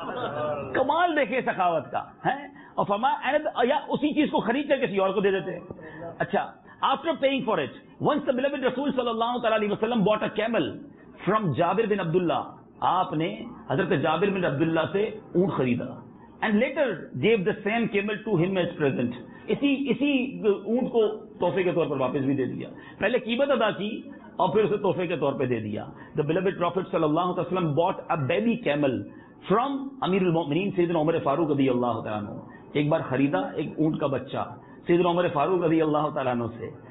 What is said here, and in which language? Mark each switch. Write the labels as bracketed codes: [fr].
[ur] کمال دیکھیں سخاوت کا ہے. اور فرما یا اسی چیز کو خرید کر کسی اور کو دے دیتے. [en] اچھا, after paying for it, once the beloved رسول صلی اللہ تعالی علیہ وسلم bought a camel from Jabir bin Abdullah, [ur] آپ نے حضرت جابر بن عبداللہ سے اونٹ خریدا. [en] And later gave the same camel to him as present. [ur] اسی اونٹ کو تحفے کے طور پر واپس بھی دے دیا. پہلے قیمت ادا کی, اور پھر اسے تحفے کے طور پہ دے دیا. [en] The beloved Prophet صلی اللہ علیہ وسلم bought a baby camel from امیر المومنین سیدنا عمر فاروق رضی اللہ تعالیٰ عنہ. [ur] ایک بار خریدا ایک اونٹ کا بچہ سیدنا عمر فاروق رضی اللہ تعالیٰ عنہ سے.